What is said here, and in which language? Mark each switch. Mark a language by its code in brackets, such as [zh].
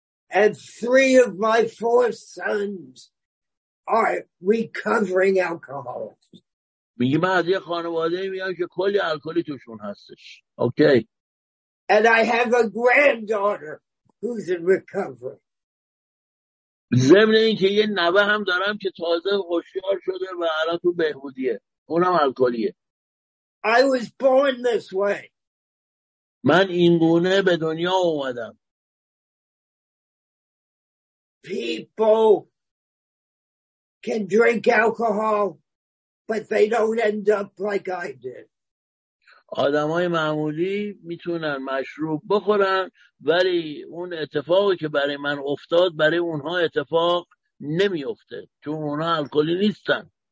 [en] And three of my four sons are recovering alcoholics. [fa] میگه من از یه خانواده میام که کلی الکلی توشون هستش. اوکی. [en] And I have a granddaughter who's in recovery. [fa] ضمن این که یه نوه هم دارم که تازه هوشیار شده و الان تو بهبودیه. اونم الکلیه. [en] I was born this way. [fa] من این گونه به دنیا اومدم. [en] People can drink alcohol, but they don't end up like I did. [fa] آدمای معمولی میتونن مشروب بخورن ولی اون اتفاقی که برای من افتاد برای اونها اتفاق نمیفته چون اونها الکلی نیستن.